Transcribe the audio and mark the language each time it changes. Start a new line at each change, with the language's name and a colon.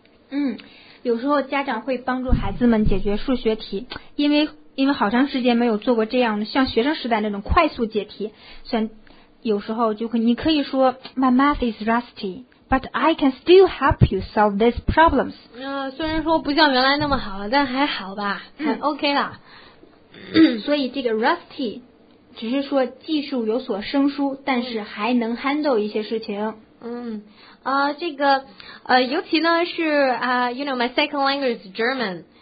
Chinese: 嗯，有时候家长会帮助孩子们解决数学题，因为好长时间没有做过这样的像学生时代那种快速解题，所以有时候就会你可以说
English: My math is rusty. But I can still help you solve these problems.
Chinese: 虽然说不像原来那么好了，但还好吧，还 OK 啦。所以这个 rusty 只是说技术有所生疏，但是还能 handle 一些事情。嗯，这个尤其呢是
English: you know my second language is German。